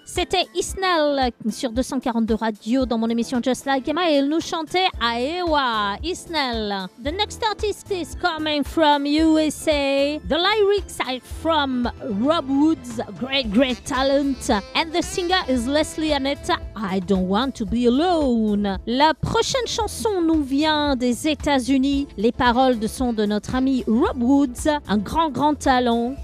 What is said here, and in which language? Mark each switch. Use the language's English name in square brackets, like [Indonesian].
[French] C'était Isnell sur 242 Radio dans mon émission Just Like Him et il nous chantait Eywa. [English] Isnell. The next artist is coming from USA. The lyrics are from Rob Woods, great, great talent. And the singer is Leslie Annette. I don't want to be alone. [French] La prochaine chanson nous vient des États-Unis. Les paroles sont de notre ami Rob Woods, un grand, grand talent.